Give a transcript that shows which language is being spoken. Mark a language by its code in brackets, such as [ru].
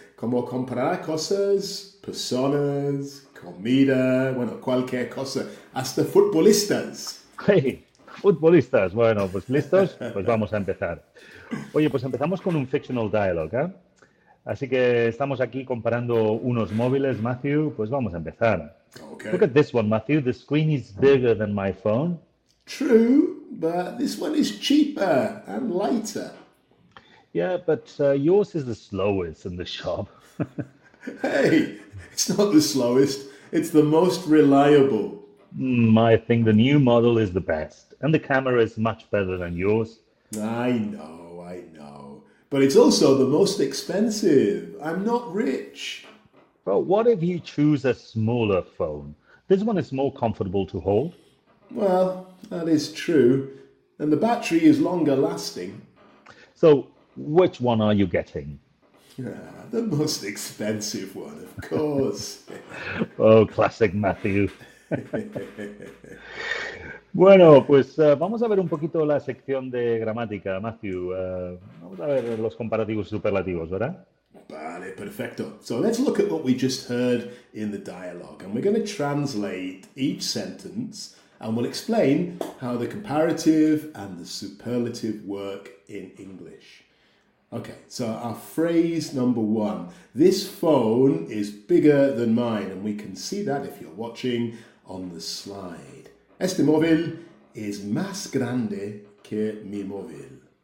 [es] Como comparar cosas, personas, comida, bueno, cualquier cosa, hasta futbolistas. Hey, futbolistas. Bueno, pues listos, pues vamos a empezar. Oye, pues empezamos con un [en] fictional dialogue, [es] ¿eh? Así que estamos aquí comparando unos móviles, Matthew, pues vamos a empezar. [en] Okay. Look at this one, Matthew. The screen is bigger than my phone. True, but this one is cheaper and lighter. Yeah, but yours is the slowest in the shop. Hey, it's not the slowest. It's the most reliable. I think the new model is the best. And the camera is much better than yours. I know. But it's also the most expensive. I'm not rich. Well, what if you choose a smaller phone? This one is more comfortable to hold. Well, that is true. And the battery is longer lasting. So, which one are you getting? Yeah, the most expensive one, of course. Oh, classic Matthew. [es] Bueno, pues vamos a ver un poquito la sección de gramática, Matthew. Vamos a ver los comparativos superlativos, ¿verdad? Vale, perfecto. [en] So let's look at what we just heard in the dialogue. And we're going to translate each sentence and we'll explain how the comparative and the superlative work in English. Okay, so our phrase number one. This phone is bigger than mine. And we can see that if you're watching on the slide. [es] Este móvil es más grande que mi móvil.